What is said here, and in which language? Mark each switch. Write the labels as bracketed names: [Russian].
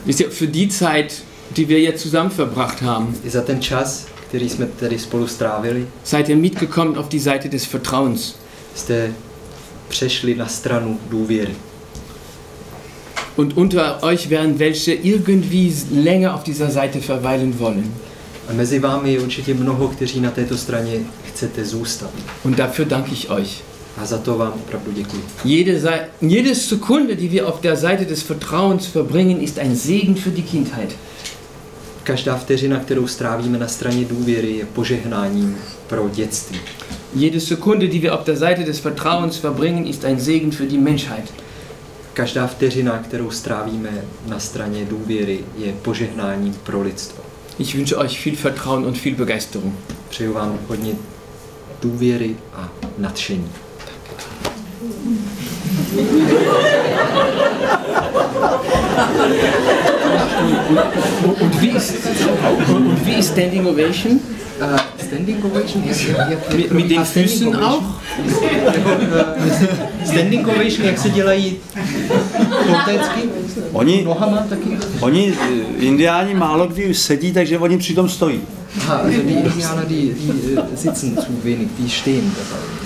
[German] Ist ja für die Zeit, die wir jetzt zusammen verbracht haben. Ist ja [Czech] ten čas, který jsme tady spolu strávili. [German] Seid ihr mitgekommen auf die Seite des Vertrauens. [Czech] Jste přešli na stranu důvěry. [German] Und unter euch werden welche irgendwie länger auf dieser Seite verweilen wollen. [Czech] A mezi vámi je určitě mnoho, kteří na této straně chcete zůstat. [German] Und dafür danke ich euch. [Czech] A za to vám opravdu děkuji. [German] Jede Sekunde, die wir auf der Seite des Vertrauens verbringen, ist ein Segen für die Kindheit. [Czech] Každá vteřina, kterou strávíme na straně důvěry, je požehnáním pro dětství. [German] Jede Sekunde, die wir auf der Seite des Vertrauens verbringen, ist ein Segen für die Menschheit. [Czech] Každá vteřina, kterou strávíme na straně důvěry, je požehnáním pro lidstvo. [German] Ich wünsche euch viel Vertrauen und viel Begeisterung. [Czech] Přeju vám hodně důvěry a nadšení. [German] Und wie ist Standing Ovation? Standing Ovation? Ja, mit den Füßen Ovation auch? [Czech] Standing Ovation, jak se dělají kotecky? Oni nohama taky? Oni, indiáni, málo kdy sedí, takže oni přitom stojí. [German] Aha, also die Indianer, die sitzen zu wenig, die stehen dabei.